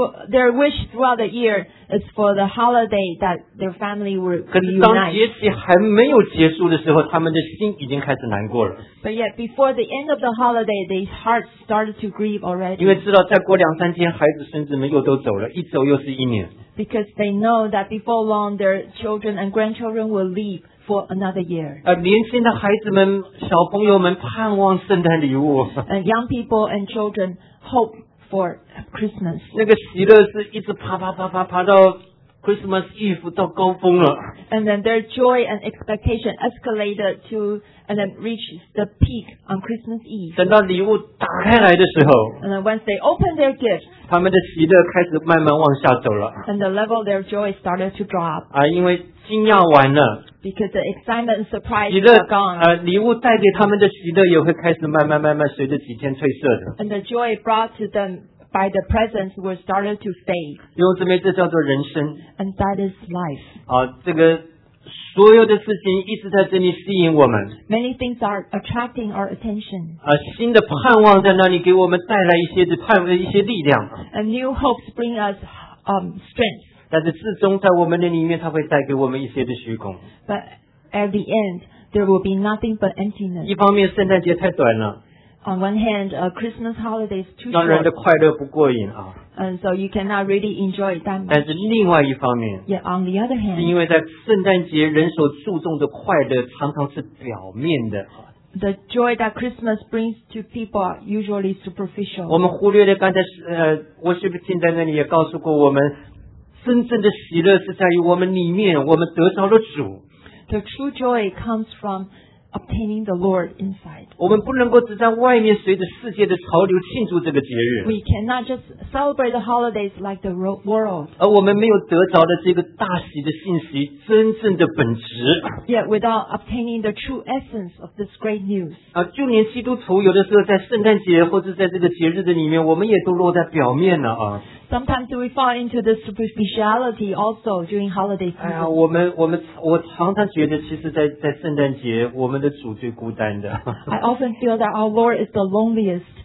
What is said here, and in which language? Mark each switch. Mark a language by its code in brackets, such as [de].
[en] Their wish throughout the year is for the holiday that their family will reunite. [zh] 可是当节气还没有结束的时候，他们的心已经开始难过了。 [en] But yet before the end of the holiday, their hearts started to grieve already. [zh] 因为知道再过两三天，孩子、孙子们又都走了，一走又是一年。 [en] Because they know that before long, their children and grandchildren will leave. For another year. [zh] 年轻的孩子们、小朋友们盼望圣诞礼物。 [en] And young people and children hope for Christmas. [zh] 那个喜乐是一直爬爬爬爬爬到 Christmas Eve 到高峰了。 [en] And then their joy and expectation escalated to and then reaches the peak on Christmas Eve. [zh] 等到礼物打开来的时候 [en] ，And then once they open their gifts, [zh] 他们的喜乐开始慢慢往下走了。 [en] And the level their joy started to drop. [zh] 因为惊讶完了。 [en] Because the excitement and surprise are gone. [zh] 礼物带给他们的喜乐也会开始慢慢慢慢随着几天褪色的。 [en] And the joy brought to them by the presents will start to fade. [zh] 弟兄姊妹，这叫做人生。 [en] And that is life. [zh] 这个所有的事情一直在这里吸引我们。 [en] Many things are attracting our attention. [zh] 新的盼望在那里给我们带来一些力量。 [en] And new hopes bring us strength. [zh] 但是至终在我们的里面，它会带给我们一些的虚空。 [en] But at the end, there will be nothing but emptiness. [zh] 一方面，圣诞节太短了。 [en] On one hand, Christmas holiday is too short. [zh] 让人的快乐不过瘾啊。 [en] And so you cannot really enjoy it that much. [zh] 但是另外一方面 [en] ，Yet on the other hand, [zh] 是因为在圣诞节，人所注重的快乐常常是表面的。 [en] The joy that Christmas brings to people are usually superficial. [zh] 我们忽略了刚才我是不是听在那里也告诉过我们。真正的喜乐是在于我们里面，我们得到了主。 [en] The true joy comes from obtaining the Lord inside. [zh] 我们不能够只在外面随着世界的潮流庆祝这个节日。 [en] We cannot just celebrate the holidays like the world. [zh] 而我们没有得着的这个大喜的信息，真正的本质。 [en] Yet without obtaining the true essence of this great news. [zh] 就连基督徒有的时候在圣诞节或者在这个节日的里面，我们也都落在表面了啊。 [en] Sometimes we fall into the superficiality also during holiday season. [zh] 我常常觉得，其实在圣诞节，我们的主最孤单的。 [en] I often feel that our Lord is the loneliest